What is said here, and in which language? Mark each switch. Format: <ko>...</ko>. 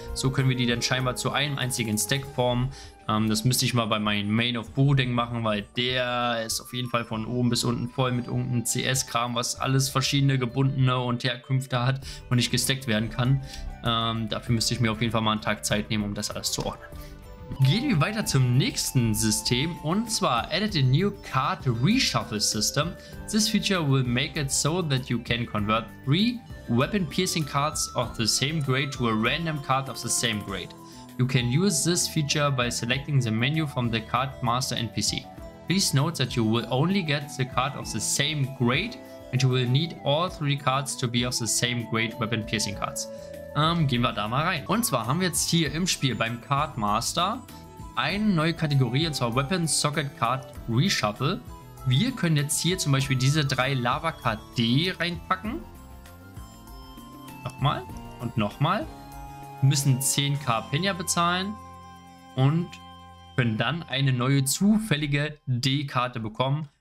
<de>So können wir die dann scheinbar zu einem einzigen Stack formen. Das müsste ich mal bei meinem Main of Boarding machen, weil der ist auf jeden Fall von oben bis unten voll mit irgendeinem CS-Kram, was alles verschiedene gebundene und Herkünfte hat und nicht gestackt werden kann. Dafür müsste ich mir auf jeden Fall mal einen Tag Zeit nehmen, um das alles zu ordnen. Gehen wir weiter zum nächsten System, und zwar</de> <en>added a new card reshuffle system. This feature will make it so that you can convert 3 weapon piercing cards of the same grade to a random card of the same grade. You can use this feature by selecting the menu from the card master NPC. Please note that you will only get the card of the same grade and you will need all 3 cards to be of the same grade weapon piercing cards.</en> <de>Gehen wir da mal rein. Und zwar haben wir jetzt hier im Spiel beim Card Master eine neue Kategorie, und zwar Weapon Socket Card Reshuffle. Wir können jetzt hier zum Beispiel diese 3 Lava Card D reinpacken. Nochmal und nochmal. Wir müssen 10.000 Penya bezahlen und können dann eine neue zufällige D-Karte bekommen.</de>